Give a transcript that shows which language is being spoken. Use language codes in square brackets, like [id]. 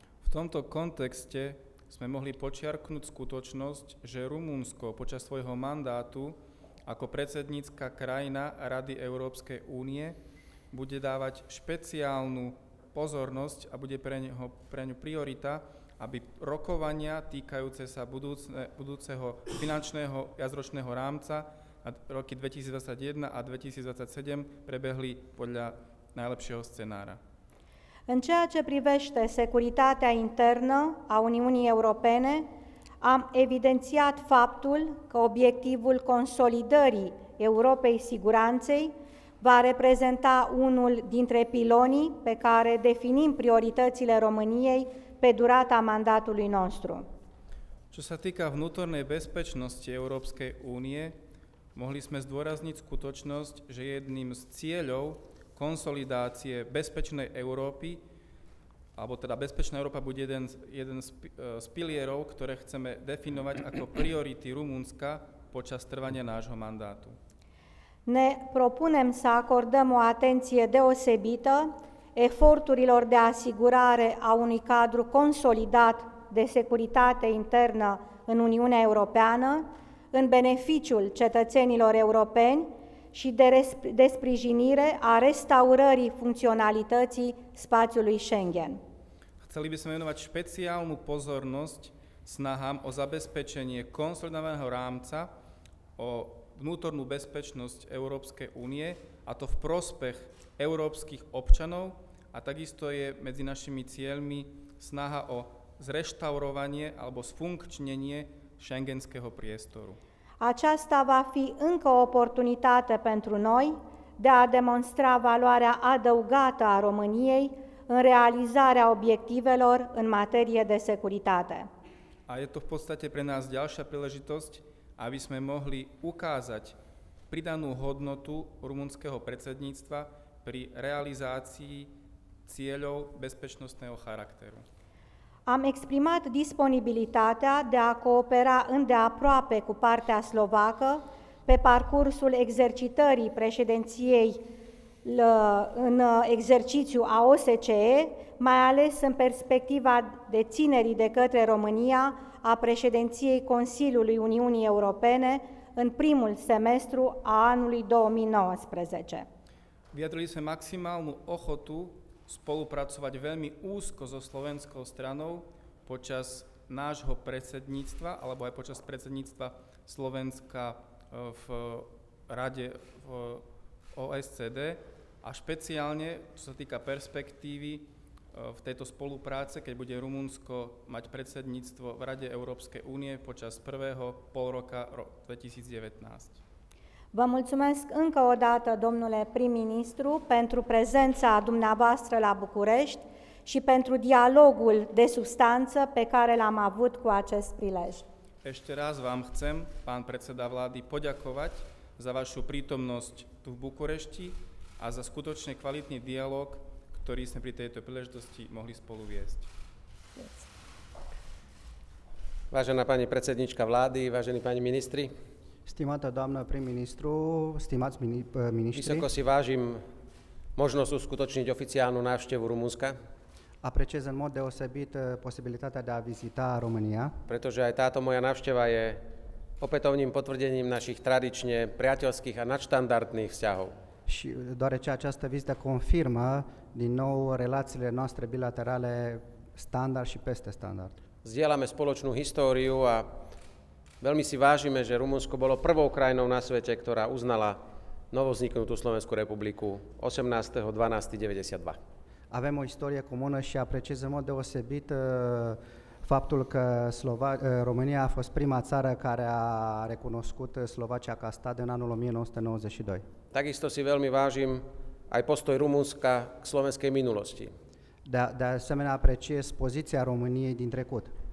[sk] V tomto kontexte sme mohli počiarknúť skutočnosť, že Rumunsko počas svojho mandátu ako predsednícka krajina Rady Európskej únie bude dávať špeciálnu pozornosť a bude pre ňu priorita, aby rokovania týkajúce sa budúceho finančného jazročného rámca a roky 2021 a 2027 prebehli podľa najlepšieho scenára. [ro] În ceea ce privește securitatea internă a Uniunii Europene, am evidențiat faptul că obiectivul consolidării Europei Siguranței va reprezenta unul dintre pilonii pe care definim prioritățile României pe durata mandatului nostru. [sk] Čo sa týka vnútornej bezpečnosti Európskej únie, mohli sme zdôrazniť skutočnosť, že jedným z cieľov konsolidácie bezpečnej Európy, alebo teda bezpečná Európa bude jeden z pilierov, ktoré chceme definovať ako priority Rumunska počas trvania nášho mandátu. [ro] Ne propunem să acordăm o atenție deosebită eforturilor de asigurare a unui cadru consolidat de securitate internă în Uniunea Europeană, în beneficiul cetățenilor europeni și de sprijinire a restaurării funcționalității spațiului Schengen. [sk] Chceli by sme venovať špeciálnu pozornosť snahám o zabezpečenie konsolidovaného rámca, o vnútornú bezpečnosť Európskej únie, a to v prospech európskych občanov, a takisto je medzi našimi cieľmi snaha o zreštaurovanie alebo sfunkčnenie šengenského priestoru. [ro] Aceasta va fi încă o oportunitate pentru noi de a demonstra valoarea adăugată a României în realizarea obiectivelor în materie de securitate. [sk] A je to v podstate pre nás ďalšia príležitosť, aby sme mohli ukázať pridanú hodnotu rumunského predsedníctva pri realizácii cieľov bezpečnostného charakteru. [ro] Am exprimat disponibilitatea de a coopera îndeaproape cu partea slovacă pe parcursul exercitării președinției în exercițiu a OSCE, mai ales în perspectiva deținerii de către România a președinției Consiliului Uniunii Europene în primul semestru a anului 2019. [sk] Vyjadrili sme maximálnu ochotu spolupracovať veľmi úzko so slovenskou stranou počas nášho predsedníctva alebo aj počas predsedníctva Slovenska v Rade v OSCD a špeciálne, čo sa týka perspektívy v tejto spolupráce, keď bude Rumunsko mať predsedníctvo v Rade Európskej únie počas prvého pol roka 2019. [ro] Vă mulțumesc încă o dată, domnule prim-ministru, pentru prezența dumneavoastră la București și pentru dialogul de substanță pe care l-am avut cu acest prilej. [sk] Ešte raz vám chcem, pán predseda vlády, poďakovať za vašu prítomnosť tu v Bukurešti a za skutočne kvalitný dialog, ktorý sme pri tejto príležitosti mohli spolu viesť. Vážená pani predsednička vlády, vážení pani ministri. [ro] Stimata doamna prim-ministru, stimați ministri. [sk] Vysoko si vážim možnosť uskutočniť oficiálnu návštevu Rumunska. [ro] Apreciez în mod deosebit posibilitatea de a vizita România. [sk] Pretože aj táto moja návšteva je opätovným potvrdením našich tradične priateľských a nadštandardných vzťahov. [ro] Și deoarece această vizită confirmă din nou relațiile noastre bilaterale standard și peste standard. [sk] Zdieľame spoločnú históriu a veľmi si vážime, že Rumunsko bolo prvou krajinou na svete, ktorá uznala novovzniknutú Slovenskú republiku 18.12.92. [ro] Avem o istorie comună și apreciez în mod deosebit faptul că România a fost prima țară care a recunoscut Slovacia ca stat în anul 1992. [sk] Takisto si veľmi vážim aj postoj Rumunska k slovenskej minulosti. [ro] De asemenea apreciez poziția României din trecut.